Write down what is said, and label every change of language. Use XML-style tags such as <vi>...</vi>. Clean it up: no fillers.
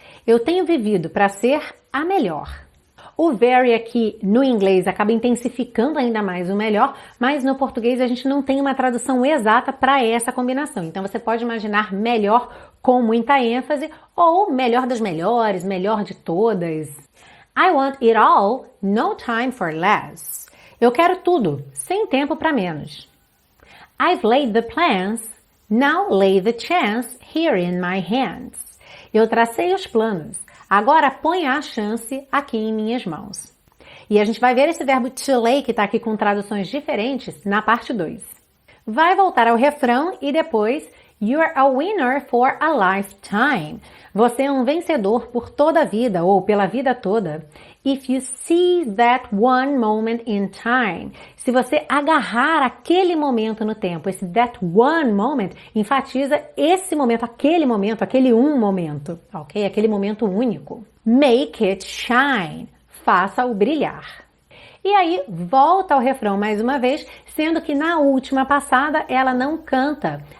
<pt>Eu tenho vivido para ser a melhor. O very aqui no inglês acaba intensificando ainda mais o melhor, mas no português a gente não tem uma tradução exata para essa combinação. Então você pode imaginar melhor com muita ênfase ou melhor das melhores, melhor de todas.</pt> <en>I want it all, no time for less.</en> <pt>Eu quero tudo, sem tempo para menos.</pt> <en>I've laid the plans, now lay the chance here in my hands.</en> <pt>Eu tracei os planos. Agora, põe a chance aqui em minhas mãos. E a gente vai ver esse verbo to lay, que está aqui com traduções diferentes, na parte 2. Vai voltar ao refrão e depois,</pt> <en>you're a winner for a lifetime.</en> <pt>Você é um vencedor por toda a vida ou pela vida toda.</pt> <en>If you seize that one moment in time.</en> <pt>Se você agarrar aquele momento no tempo, esse</pt> <en>that one moment,</en> <pt>enfatiza esse momento, aquele um momento, ok? Aquele momento único.</pt> <en>Make it shine.</en> <pt>Faça-o brilhar. E aí, volta ao refrão mais uma vez, sendo que na última passada ela não canta.</pt>